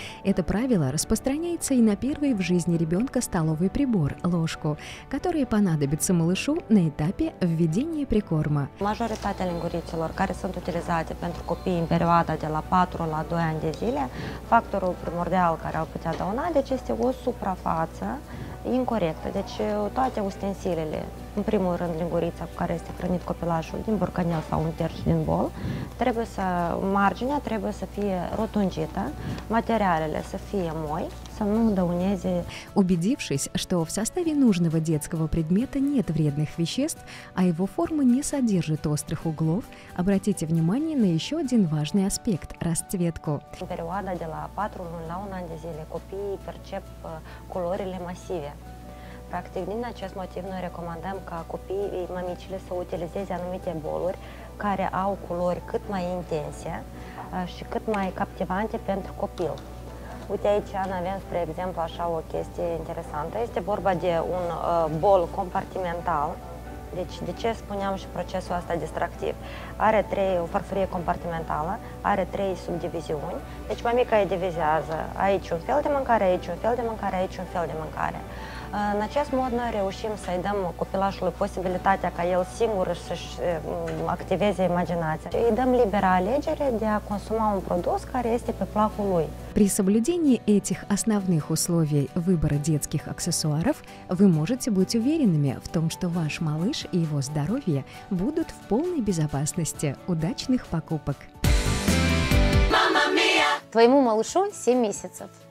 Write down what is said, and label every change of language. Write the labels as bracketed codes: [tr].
[ru] Это правило распространяется и на первый в жизни ребенка столовый прибор – ложку, который понадобится малышу на этапе введения прикорма. [ro] Majoritatea lingurițelor care sunt utilizate pentru copii în perioada de la 4 la 2 ani de zile, factorul primordial care au putea dauna, deci este o suprafață incorrectă. Deci toate ustensilele, în primul rând lingurița cu care este hrănit copilașul din borcanel sau un terț din bol, marginea trebuie să fie rotunjită, materialele să fie moi, să nu dăuneze. [ru] Убедившись, что в составе нужного детского предмета нет вредных веществ, а его форма не содержит острых углов, обратите внимание на еще один важный аспект – расцветку. [ro] În perioada de la 4 luni la 1 an de zile, copiii percep culorile masive. Practic, din acest motiv, noi recomandăm ca copiii, mămicile, să utilizeze anumite boluri care au culori cât mai intense și cât mai captivante pentru copil. Uite aici, Ana, avem, spre exemplu, așa o chestie interesantă. Este vorba de un bol compartimental. Deci, de ce spuneam și procesul ăsta distractiv? Are trei, o farfurie compartimentală, are trei subdiviziuni. Deci, mămica îi divizează aici un fel de mâncare, aici un fel de mâncare, aici un fel de mâncare. În acest mod noi reușim să-i dăm copilașului posibilitatea ca el singur să-și activeze imaginația. Îi dăm libera alegere de a consuma un produs care este pe placul lui. [ru] При соблюдении этих основных условий выбора детских аксессуаров вы можете быть уверенными в том, что ваш малыш и его здоровье будут в полной безопасности. Удачных покупок! Твоему малышу 7 месяцев.